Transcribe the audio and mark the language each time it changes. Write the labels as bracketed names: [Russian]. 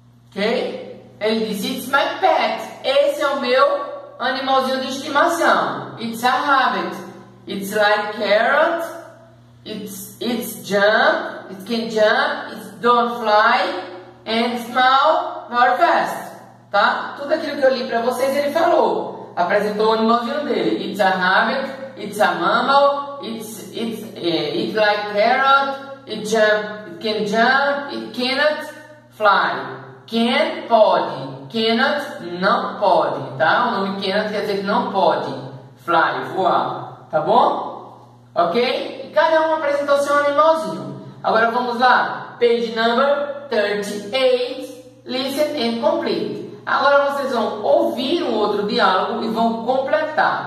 [Portuguese] Ok? Ele disse, [English] it's my pet, [Portuguese] esse é o meu animalzinho de estimação. [English] It's a rabbit, it's like carrots, it's jump, it can jump, it don't fly, and small, very fast. [Portuguese] Tá? Tudo aquilo que eu li para vocês ele falou. Apresentou o animalzinho dele. [English] It's a rabbit, it's a mammal, it's like carrot, it jump, it can jump, it cannot fly. [Portuguese] Can, pode. Cannot, não pode. Tá? O nome cannot quer dizer que não pode. Fly, voar. Tá bom? Ok? E cada um apresentou seu animalzinho. Agora vamos lá. [English] Page number 38. Listen and complete. [Portuguese] Agora vocês vão ouvir um outro diálogo e vão completar.